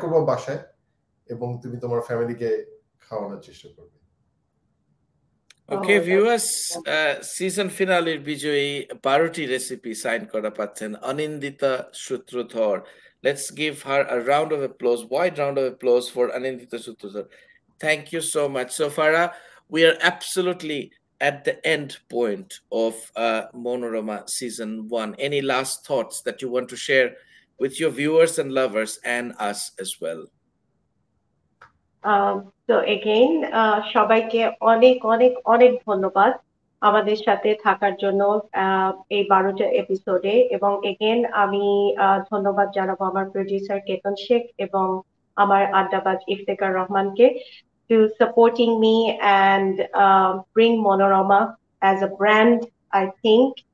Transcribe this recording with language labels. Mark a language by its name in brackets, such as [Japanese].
[Bangla] বাসায় এবং তুমি তোমার ফ্যামিলিকে খাওয়ানোর চেষ্টা করবে। ওকে ভিউয়ার্স, সিজন ফিনালের বিজয়ী 12টি রেসিপি সাইন করা পাচ্ছেন অনিন্দিতা সূত্রধর। [English] Let's give her a round of applause, wide round of applause for Anindita Sutradhar. Thank you so much. So Farah, we are absolutely at the end point of Monorama season one. Any last thoughts that you want to share with your viewers and lovers and us as well? So again, [Bangla] shabaike onek onek onek dhonnobad আমাদের সাথে থাকার জন্য এই 12টা এপিসোডে। এবং again আমি ধন্যবাদ জানাবো আমার প্রোডিউসার কেতন শেখ এবং আমার আড্ডাবাজ ইফতেকার রহমানকে [English] to supporting me and bring Manorama as a brand I think,